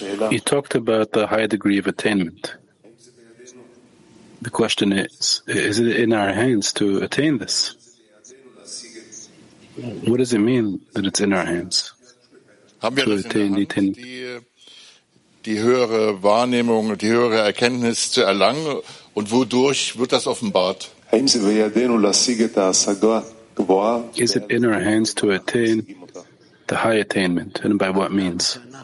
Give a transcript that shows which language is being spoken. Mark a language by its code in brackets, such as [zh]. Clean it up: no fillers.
[en] You talked about the high degree of attainment. The question is it in our hands to attain this? What does it mean that it's in our hands? [de] Haben wir [en] to attain the attainment? [de] Die höhere Wahrnehmung, die höhere Erkenntnis zu erlangen, und wodurch wird das offenbart? [en] Is it in our hands to attain the high attainment, and by what means?